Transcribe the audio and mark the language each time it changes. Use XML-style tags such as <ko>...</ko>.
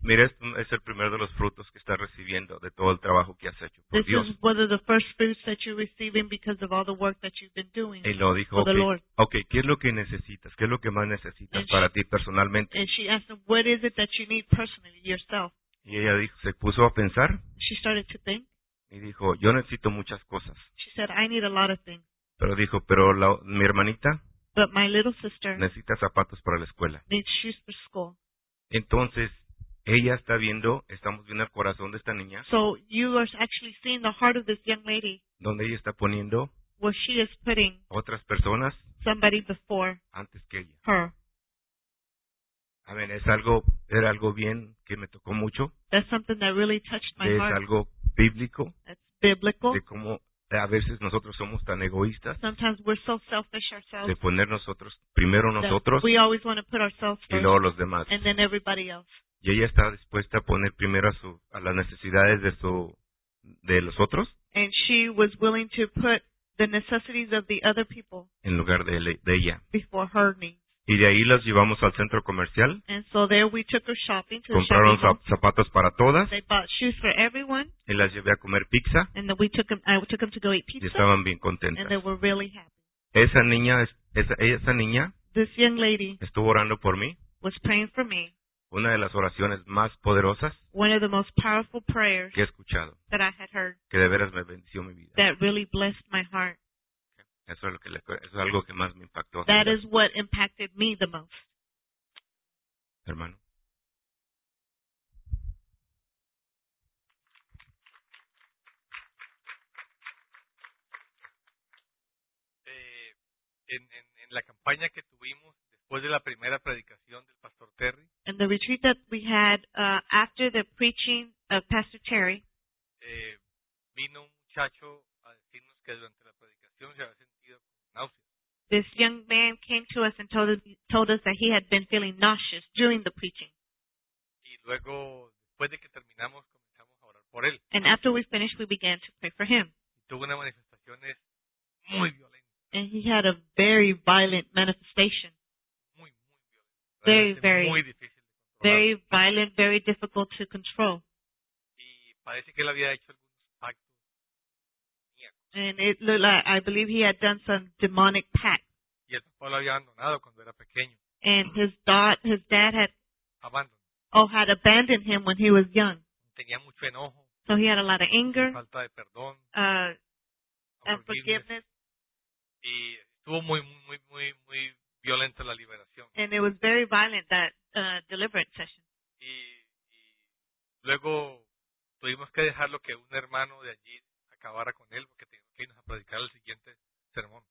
<es>Mira, es el primero de los frutos que estás recibiendo de todo el trabajo que has hecho por</es> <en>this</en> <es>Dios.</es> <en>This is one of the first fruits that you're receiving because of all the work that you've been doing.</en> <es>Y lo dijo,</es> <en>for the Lord.</en> <es>Okay, ¿qué es lo que necesitas? ¿Qué es lo que más necesitas para ti personalmente?</es> <en>And she asked him, what is it that you need personally, yourself?</en> <es>Y ella dijo, se puso a pensar.</es> <en>She started to think.</en> <es>Y dijo, yo necesito muchas cosas.</es> <en>She said, I need a lot of things.</en> <es>Pero dijo, pero mi hermanita.</es> <en>But my little sister.</en> <es>Necesita zapatos para la escuela.</es> <en>Needs shoes for school.</en> <es>Entonces, ella está viendo, estamos viendo el corazón de esta niña.</es> <en>So, you are actually seeing the heart of this young lady.</en> <es>Donde ella está poniendo.</es> <en>Where she is putting.</en> <es>Otras personas.</es> <en>Somebody before.</en> <es>Antes que ella.</es> <en>Her.</en> <es>A ver, es algo, era algo bien que me tocó mucho.</es> <en>That's something that really touched my heart.</en> <es>Es algo bíblico.</es> <en>It's biblical.</en> <es>De cómo a veces nosotros somos tan egoístas.</es> <en>Sometimes we're so selfish ourselves.</en> <es>De poner nosotros, primero nosotros.</es> <en>We always want to put ourselves first.</en> <es>Y luego los demás.</es> <en>And then everybody else.</en> <es>Y ella está dispuesta a poner primero a las necesidades de los otros.</es> <en>And she was willing to put the necessities of the other people.</en> <es>En lugar de ella.</es> <en>Before her needs.</en> <es>Y de ahí las llevamos al centro comercial.</es> <en>And so there we took her shopping to</en> <es>compraron</es> <en>the shopping</en> <es>zapatos para todas.</es> <en>They bought shoes for everyone.</en> <es>Y las llevé a comer pizza.</es> <en>And then I took them to go eat pizza.</en> <es>Y estaban bien contentas.</es> <en>And they were really happy.</en> <es>Esa niña.</es> <en>This young lady.</en> <es>Estuvo orando por mí.</es> <en>Was praying for me.</en> <es>Una de las oraciones más poderosas.</es> <en>One of the most powerful prayers.</en> <es>Que he escuchado.</es> <en>That I had heard.</en> <es>Que de veras me bendició mi vida.</es> <en>That really blessed my heart.</en> <es>Eso es algo que más me impactó.</es> <en>That is what impacted me the most.</en> <es>Hermano. En la campaña que tuvimos después de la primera predicación del Pastor Terry.</es> <en>In the retreat that we had after the preaching of Pastor Terry.</en> <es>Vino un muchacho a decirnos que durante la predicación se había sentido.</es> <en>This young man came to us and told us that he had been feeling nauseous during the preaching.</en> <es>Y luego, después de que terminamos, comenzamos a orar por él.</es> <en>And after we finished, we began to pray for him.</en> <es>Tuvo una manifestación muy violenta.</es> <en>And he had a very violent manifestation.</en> <es>Muy, muy violenta.</es> <en>Very, very,</en> <es>muy difícil de controlar.</es> <en>Very violent, very difficult to control.</en> <es>Y parece que él había hecho algunos pactos.</es> <en>And it looked like, I believe he had done some demonic pact.</en> <es>Y el papá lo había abandonado cuando era pequeño.</es> <en>And his dad had abandoned. Oh, had abandoned him when he was young.</en> <es>Tenía mucho enojo.</es> <en>So he had a lot of anger.</en> <es>Falta de perdón.</es> <en>Unforgiveness.</en> <es>Y estuvo muy, muy, muy, muy violenta la liberación.</es> <en>And it was very violent, that deliverance session.</en> <es>Y luego tuvimos que dejarlo que un hermano de allí acabara con él porque teníamos que irnos a predicar el siguiente sermón.</es>